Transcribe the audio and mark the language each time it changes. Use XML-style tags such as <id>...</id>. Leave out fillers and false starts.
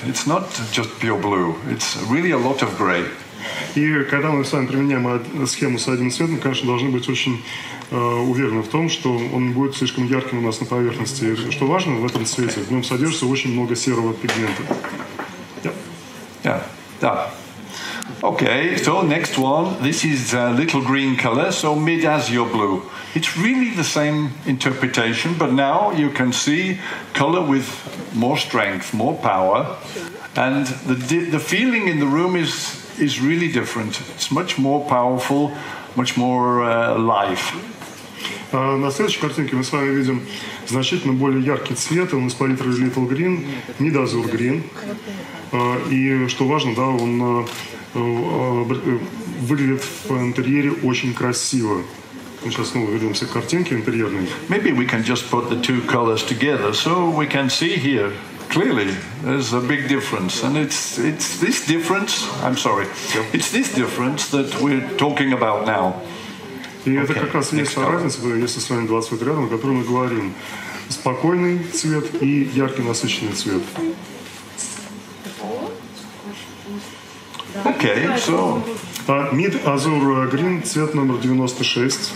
<en>It's not just pure blue. It's really a lot of gray.</en> <ru>И когда мы с вами применяем схему с одним цветом, конечно, должны быть очень уверены в том, что он будет слишком ярким у нас на поверхности. Что важно в этом цвете, в нем содержится очень много серого пигмента.</ru> <en>Да. Okay, so next one. This is a little green color, so mid azure blue. It's really the same interpretation, but now you can see color with more strength, more power, and the feeling in the room is really different. It's much more powerful, much more life.</en> <ru>На следующей картинке мы с вами видим значительно более яркий цвет. Он из палитры Little Green, mid azure green. И что важно, да, он выглядит в интерьере очень красиво. Мы сейчас снова вернемся к картинке интерьерной.</ru> <en>Maybe we can just put the two colors together, so we can see here clearly there's a big difference, and it's this difference. I'm sorry, it's this difference that we're talking about now.</en> <ru>И okay, это как раз есть та разница, если с вами 20 рядом, о которой мы говорим: спокойный цвет и яркий насыщенный цвет.</ru> <en>Okay, so</en> <ru>mid azure green, цвет номер 96.</ru>